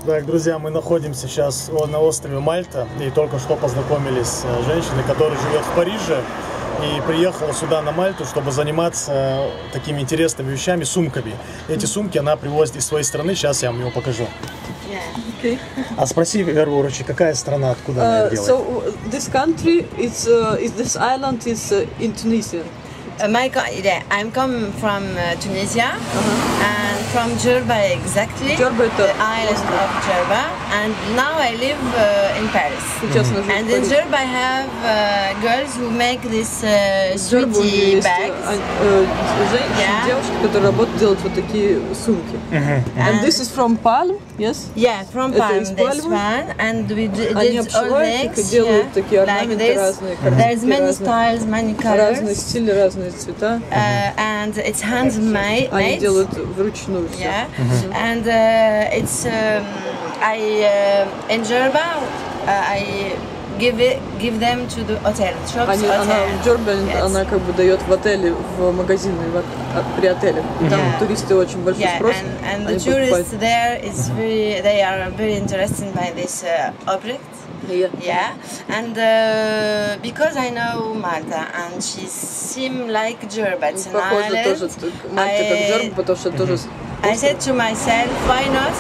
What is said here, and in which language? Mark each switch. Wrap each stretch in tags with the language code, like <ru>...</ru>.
<ru>Так, друзья, мы находимся сейчас на острове Мальта и только что познакомились с женщиной, которая живет в Париже и приехала сюда на Мальту, чтобы заниматься такими интересными вещами, сумками. Эти сумки она привозит из своей страны, сейчас я вам его покажу.</ru> <en>Okay.</en> <ru>А спроси, Вера Урочи, какая страна, откуда она делает?</ru> <en>So, this country, this island is in Tunisia. I'm coming from Tunisia, and from Djerba exactly, the island of Djerba, and now I live in Paris. And in Djerba I have girls who make this sweetie bags.</en> <ru>Девушки, которые работают, делают вот такие сумки.</ru> <en>And this is from Palm, yes? Yeah, from Palm, this one. And we did all mix, like this. There's many styles, many colors.</en> <ru>Разные стили, разные цвета.</ru> <en>And it's handmade.</en> <ru>Они делают вручную все.</ru> <en>Yeah. And it's I in Djerba I give them to the hotel shops.</en> <ru>Они, она в Джербе, yes. Она как бы дает в отеле, в магазины, в, при отеле. И там туристы очень большой спрос.</ru> <en>And the tourists there is very, they are very interested by this object. Yeah. And because I know Malta and she seem like Djerba, it's an island. I said to myself, why not?</en>